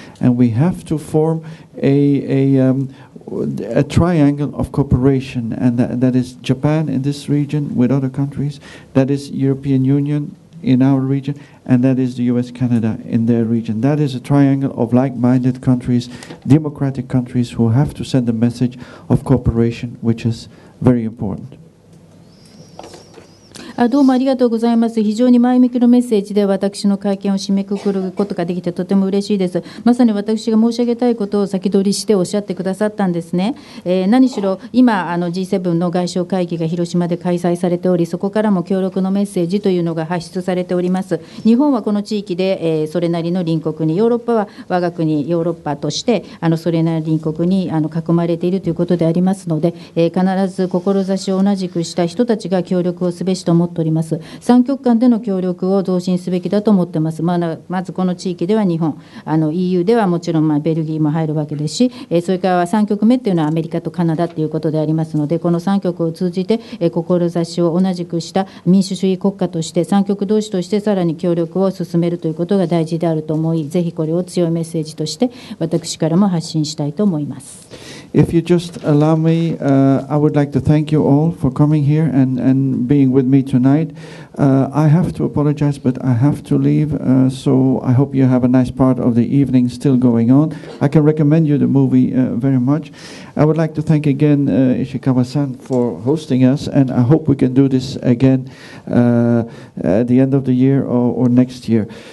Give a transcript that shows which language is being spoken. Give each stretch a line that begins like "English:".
English: And we have to form a triangle of cooperation, and that is Japan in this region with other countries, that is European Union in our region, and that is the US Canada in their region. That is a triangle of like-minded countries, democratic countries, who have to send a message of cooperation, which is very important.
Japanese: どうもありがとうございます。非常に前向きのメッセージで私の会見を締めくくることができてとても嬉しいです。まさに私が申し上げたいことを先取りしておっしゃってくださったんですね。何しろ今あの G7 の外相会議が広島で開催されており、そこからも協力のメッセージというのが発出されております。日本はこの地域で、それなりの隣国に、ヨーロッパは我が国ヨーロッパとしてあのそれなりの隣国にあの囲まれているということでありますので、必ず志を同じくした人たちが協力をすべしと思っております。三極間での協力を増進すべきだと思っています。まずこの地域では日本、あの EU ではもちろんまあベルギーも入るわけですし、それから三極目というのはアメリカとカナダということでありますので、この三極を通じて志を同じくした民主主義国家として、三極同士としてさらに協力を進めるということが大事であると思い、ぜひこれを強いメッセージとして私からも発信したいと思います。
English: If you just allow me, I would like to thank you all for coming here and being with me tonight. I have to apologize, but I have to leave. So I hope you have a nice part of the evening still going on. I can recommend you the movie very much. I would like to thank again Ishikawa-san for hosting us, and I hope we can do this again at the end of the year or next year.